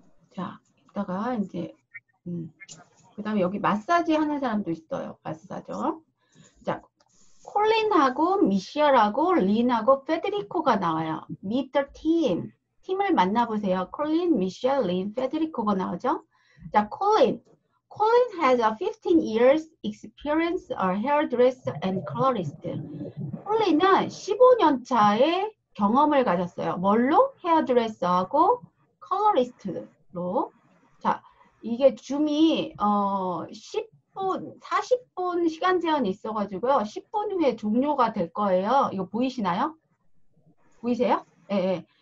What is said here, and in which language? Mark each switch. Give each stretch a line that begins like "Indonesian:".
Korean: 자, 이따가 이제 그 다음에 여기 마사지 하는 사람도 있어요. 마사죠. 자, 콜린하고 미셸하고 린하고 페드리코가 나와요.
English: Meet the team.
Korean: 팀을 만나보세요. 콜린, 미셸, 린, 페드리코가 나오죠. 자, 콜린.
English: Colin has a 15 years experience a hairdresser and colorist.
Korean: Colin은 15년 차의 경험을 가졌어요. 뭘로? 헤어드레서하고 컬러리스트로. 자, 이게 줌이 10분, 40분 시간 제한이 있어가지고요. 10분 후에 종료가 될 거예요. 이거 보이시나요? 보이세요? 예, 예.